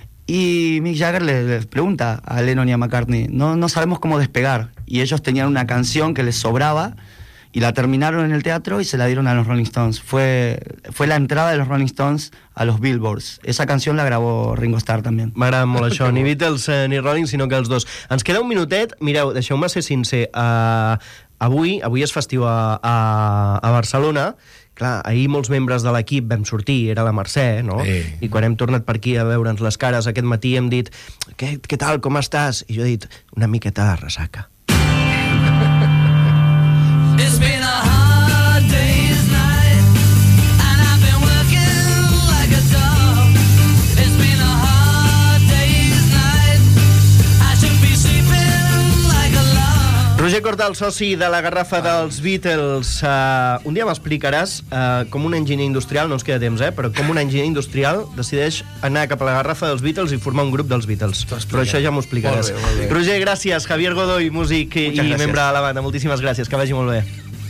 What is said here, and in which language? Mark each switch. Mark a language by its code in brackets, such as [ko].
[es] Y Mick Jagger les pregunta a Lennon y a McCartney, no sabemos cómo despegar, y ellos tenían una canción que les sobraba y la terminaron en el teatro y se la dieron a los Rolling Stones. Fue la entrada de los Rolling Stones a los Billboards. Esa canción la grabó Ringo Starr también. [ca] M'agrada molt això, ni Beatles ni Rolling, sinó que els dos. Ens queda un minutet. Mireu, deixeu-me ser sincer. Avui és festiu a Barcelona. Clar, ahir molts membres de l'equip vam sortir, era la Mercè, no? Sí. I quan hem tornat per aquí a veure'ns les cares aquest matí hem dit, què tal, com estàs? I jo he dit, una miqueta de ressaca. [en] It's been a hard day's night, and I've been working like a dog. It's been a hard day's night, I should be sleeping like a log. [ca] Roger Cordal, soci de la Garrafa dels Beatles. Un dia m'explicaràs com un enginyer industrial, no ens queda temps, però com un enginyer industrial decideix anar cap a la Garrafa dels Beatles i formar un grup dels Beatles. Però això ja m'ho explicaràs. Molt bé, molt bé. Roger, gràcies. Javier Godoy, músic i membre de la banda. Moltíssimes gràcies. Que vagi molt bé.